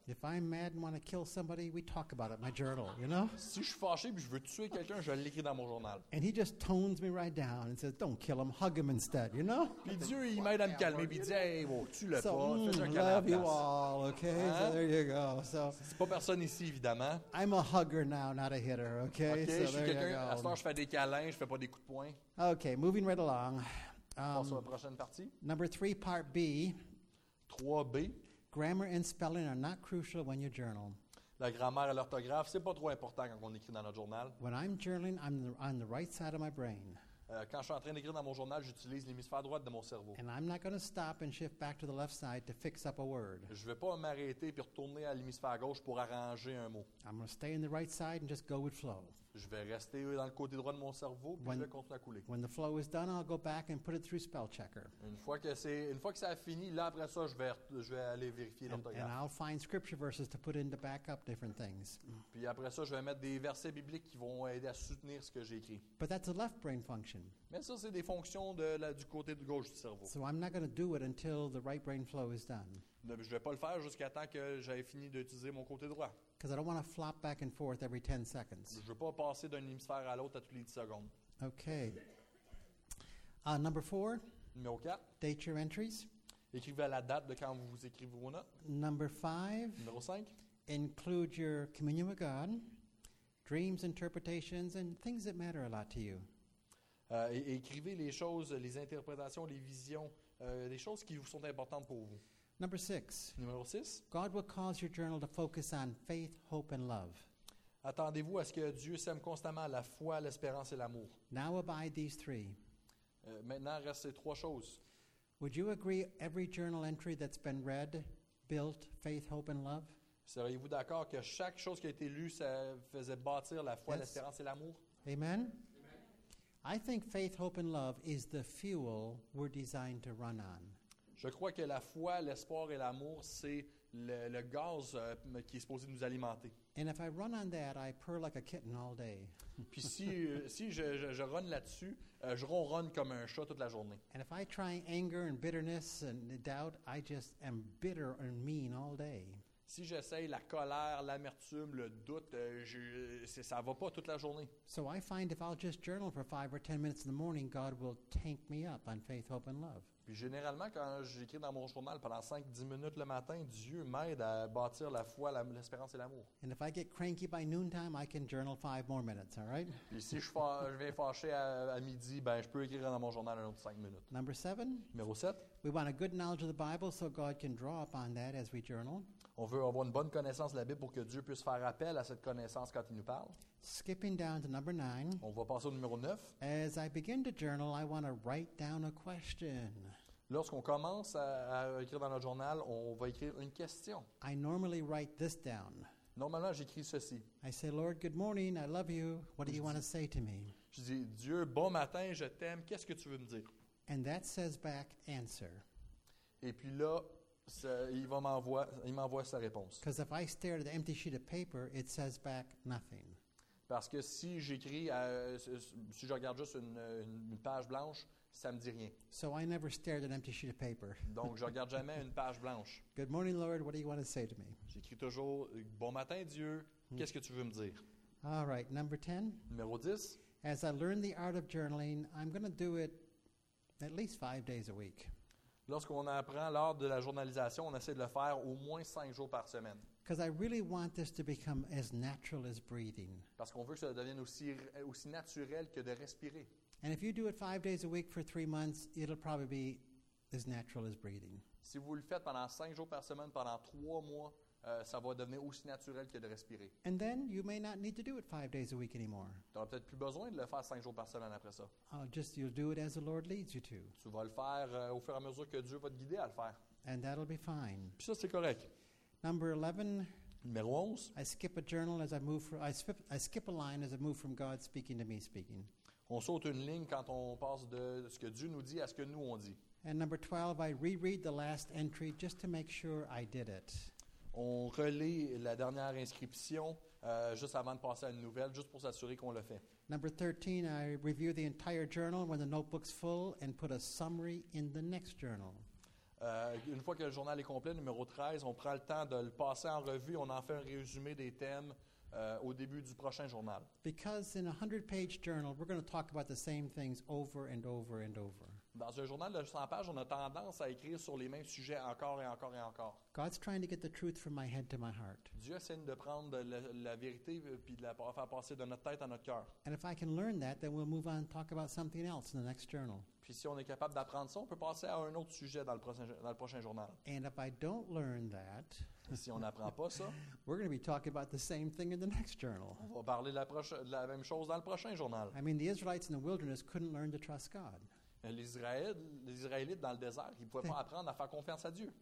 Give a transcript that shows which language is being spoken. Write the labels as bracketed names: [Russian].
[English] If I'm mad and want to kill somebody, we talk about it in my journal, you know? [French] Si je suis fâché et je veux tuer quelqu'un, je l'écris dans mon journal. [English] And he just tones me right down and says, don't kill him, hug him instead, you know? [French] Puis Dieu, il m'aide à me calmer, puis il dit, hey, bon, tue-le so, pas, fais un câlin à la place. [English] Love you all, okay? [French] Hein? [English] So there you go. So, [French] c'est pas personne ici, évidemment. [English] I'm a hugger now, not a hitter, okay? Okay, so [French] je suis quelqu'un, à ce moment, je fais des câlins, je fais pas des coups de poing. [English] Okay, moving right along. [French] On passe à la prochaine partie. [English] Number three, part B. [French] 3B. [English] Grammar and spelling are not crucial when you journal. [French] La grammaire et l'orthographe, c'est pas trop important quand on écrit dans notre journal. [English] When I'm journaling, I'm on the right side of my brain. [French] Quand je suis en train d'écrire dans mon journal, j'utilise l'hémisphère droite de mon cerveau. [English] And I'm not going to stop and shift back to the left side to fix up a word. [French] Je vais pas m'arrêter puis retourner à l'hémisphère gauche pour arranger un mot. [English] I'm going to stay in the right side and just go with flow. [French] Je vais rester dans le côté droit de mon cerveau puis je vais continuer à couler. [English] When the flow is done, I'll go back and put it through spell checker. [French] Une fois que ça a fini, là après ça, je vais aller vérifier l'orthographe. [English] And I'll find scripture verses to put in to back up different things. [French] Puis après ça, je vais mettre des versets bibliques qui vont aider à soutenir ce que j'ai écrit. [English] But that's a left brain function. [French] Mais ça, c'est des fonctions du côté de gauche du cerveau. [English] So I'm not going to do it until the right brain flow is done. [French] Je ne vais pas le faire jusqu'à temps que j'aie fini d'utiliser mon côté droit. [English] Because I don't want to flop back and forth every 10 seconds. [French] Je veux pas passer d'un hémisphère à l'autre à toutes les 10 secondes. [English] Okay. Number 4. [French] Numéro 4. [English] Date your entries. [French] Écrivez la date de quand vous écrivez vos notes. [English] Number 5. [French] Numéro 5. [English] Include your communion with God, dreams, interpretations, and things that matter a lot to you. [French] Écrivez les choses, les interprétations, les visions, les choses qui vous sont importantes pour vous. [English] Number 6. [French] Numéro 6. [English] God will cause your journal to focus on faith, hope and love. [French] Attendez-vous à ce que Dieu sème constamment la foi, l'espérance et l'amour. [English] Now abide these three. [French] Maintenant reste ces trois choses. [English] Would you agree every journal entry that's been read built faith, hope and love? [French] Seriez-vous d'accord que chaque chose qui a été lue ça faisait bâtir la foi, [English] yes. [French] L'espérance et l'amour? Amen. Amen. [English] I think faith, hope and love is the fuel we're designed to run on. [French] Je crois que la foi, l'espoir et l'amour, c'est le gaz qui est supposé nous alimenter. [English] And if I run on that, I purr like a kitten all day. [French] Puis si je run là-dessus, je ronronne comme un chat toute la journée. [English] And if I try anger and bitterness and doubt, I just am bitter and mean all day. [French] Si j'essaye la colère, l'amertume, le doute, ça va pas toute la journée. [English] So I find if I'll just journal for 5 or 10 minutes in the morning, God will tank me up on faith, hope and love. [French] Puis généralement, quand j'écris dans mon journal pendant 5-10 minutes le matin, Dieu m'aide à bâtir la foi, l'espérance et l'amour. [English] And if I get cranky by noontime, I can journal 5 more minutes, all right? [French] Puis si je vais fâcher à midi, je peux écrire dans mon journal un autre 5 minutes. [English] Number 7. [French] Numéro 7. [English] We want a good knowledge of the Bible so God can draw upon that as we journal. [French] On veut avoir une bonne connaissance de la Bible pour que Dieu puisse faire appel à cette connaissance quand il nous parle. [English] Skipping down to number 9. [French] On va passer au numéro 9. [English] As I begin to journal, I want to write down a question. [French] Lorsqu'on commence à écrire dans notre journal, on va écrire une question. [English] I normally write this down. [French] Normalement, j'écris ceci. [English] I say, Lord, good morning, I love you. What do you want to say to me? [French] Je dis, Dieu, bon matin, je t'aime. Qu'est-ce que tu veux me dire? [English] And that says back, answer. [French] Et puis là, il m'envoie sa réponse. [English] Because if I stare at the empty sheet of paper, it says back nothing. [French] Parce que si j'écris, si je regarde juste une page blanche, ça ne me dit rien. [English] So I never stared at an empty sheet of paper. [French] Donc, je ne regarde jamais une page blanche. [English] Good morning, Lord. What do you want to say to me? [French] J'écris toujours, bon matin, Dieu. Qu'est-ce que tu veux me dire? [English] All right, number 10. [French] Numéro 10. [English] As I learn the art of journaling, I'm going to do it at least 5 days a week. [French] Lorsqu'on apprend l'art de la journalisation, on essaie de le faire au moins 5 jours par semaine. [English] Because I really want this to become as natural as breathing. [French] Parce qu'on veut que ça devienne aussi naturel que de respirer. [English] And if you do it 5 days a week for 3 months, it'll probably be as natural as breathing. [French] Si vous le faites pendant 5 jours par semaine, pendant 3 mois, ça va devenir aussi naturel que de respirer. [English] And then you may not need to do it 5 days a week anymore. [French] Tu n'auras peut-être plus besoin de le faire 5 jours par semaine après ça. [English] Just you'll do it as the Lord leads you to. [French] Tu vas le faire au fur et à mesure que Dieu va te guider à le faire. [English] And that'll be fine. [French] Puis ça, c'est correct. [English] Number 11. [French] Numéro 11. [English] I skip a line as I move from God speaking to me speaking. [French] On saute une ligne quand on passe de ce que Dieu nous dit à ce que nous on dit. [English] And number 12, I reread the last entry just to make sure I did it. [French] On relit la dernière inscription juste avant de passer à une nouvelle, juste pour s'assurer qu'on le fait. [English] Number 13, I review the entire journal when the notebook's full and put a summary in the next journal. [French] Une fois que le journal est complet, numéro 13, on prend le temps de le passer en revue, on en fait un résumé des thèmes au début du prochain journal. [English] Because in a 100-page journal, we're going to talk about the same things over and over and over. [French] Dans un journal de 100 pages, on a tendance à écrire sur les mêmes sujets encore et encore et encore. [English] God's trying to get the truth from my head to my heart. [French] Dieu essaie de prendre la vérité puis de la faire passer de notre tête à notre cœur. [English] And if I can learn that, then we'll move on and talk about something else in the next journal. [French] Puis si on est capable d'apprendre ça, on peut passer à un autre sujet dans le prochain journal. [English] And if I don't learn that, [French] si on n'apprend pas ça, [English] we're going to be talking about the same thing in the next journal. [French] On va parler de la même chose dans le prochain journal. [English] I mean, the Israelites in the wilderness couldn't learn to trust God. [French] Les Israélites dans le désert, ils ne pouvaient pas apprendre à faire confiance à Dieu.